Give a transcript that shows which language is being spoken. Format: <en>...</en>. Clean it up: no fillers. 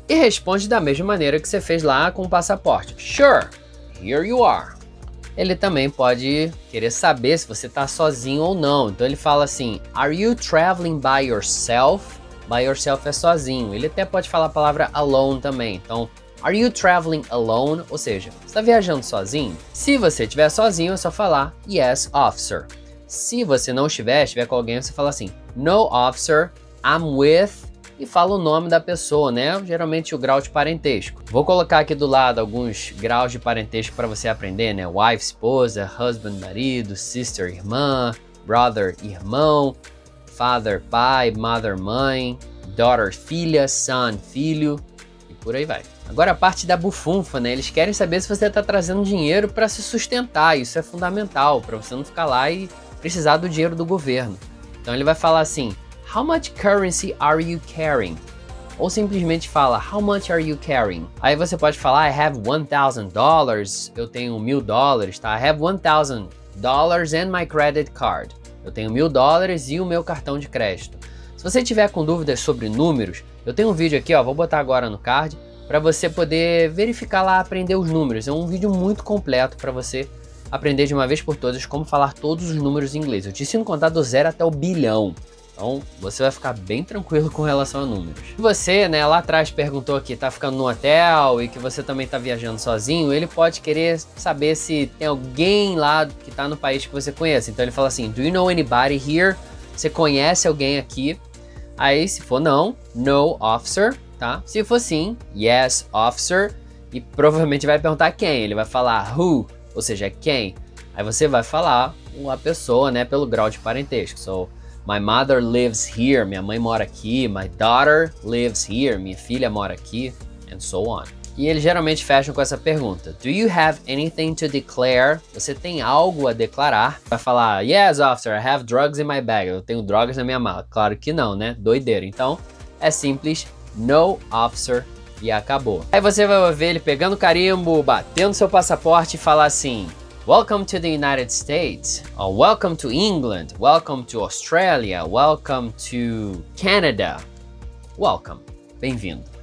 <pt>E responde da mesma maneira que você fez lá com o passaporte. Sure, here you are. Ele também pode querer saber se você tá sozinho ou não.</pt> <en>Então ele fala assim, are you traveling by yourself?</en> <pt>By yourself é sozinho. Ele até pode falar a palavra alone também.</pt> <en>Então, are you traveling alone?</en> <pt>Ou seja, você tá viajando sozinho? Se você estiver sozinho, é só falar yes, officer. Se você não estiver, estiver com alguém, você fala assim, no, officer, I'm with... E fala o nome da pessoa, né? Geralmente o grau de parentesco. Vou colocar aqui do lado alguns graus de parentesco para você aprender, né? Wife, esposa, husband, marido, sister, irmã, brother, irmão, father, pai, mother, mãe, daughter, filha, son, filho, e por aí vai. Agora a parte da bufunfa, né? Eles querem saber se você tá trazendo dinheiro para se sustentar. Isso é fundamental para você não ficar lá e precisar do dinheiro do governo.</pt> <en>Então ele vai falar assim, how much currency are you carrying? Ou simplesmente fala, how much are you carrying?</en> <pt>Aí você pode falar, I have $1,000, eu tenho $1,000, tá?</pt> <en>I have $1,000 and my credit card.</en> <pt>Eu tenho $1,000 e o meu cartão de crédito. Se você tiver com dúvidas sobre números, eu tenho um vídeo aqui, ó, vou botar agora no card, para você poder verificar lá, aprender os números. É um vídeo muito completo para você aprender de uma vez por todas como falar todos os números em inglês. Eu te ensino a contar do zero até o bilhão. Então, você vai ficar bem tranquilo com relação a números. Você, né, lá atrás perguntou aqui, tá ficando no hotel e que você também tá viajando sozinho, ele pode querer saber se tem alguém lá que tá no país que você conhece. Então, ele fala assim, do you know anybody here? Você conhece alguém aqui? Aí, se for não, no, officer, tá? Se for sim, yes, officer. E provavelmente vai perguntar quem. Ele vai falar who, ou seja, quem. Aí você vai falar uma pessoa, né, pelo grau de parentesco.</pt> <en>So, my mother lives here, minha mãe mora aqui, my daughter lives here, minha filha mora aqui, and so on.</en> <pt>E eles geralmente fecham com essa pergunta, do you have anything to declare? Você tem algo a declarar?</pt> <en>Vai falar, yes, officer, I have drugs in my bag.</en> <pt>Eu tenho drogas na minha mala. Claro que não, né? Doideira. Então, é simples, no, officer, e acabou.</pt> <en>Aí você vai ver ele pegando o carimbo, batendo seu passaporte e falar assim, welcome to the United States, oh, welcome to England, welcome to Australia, welcome to Canada, welcome, bem-vindo.</en>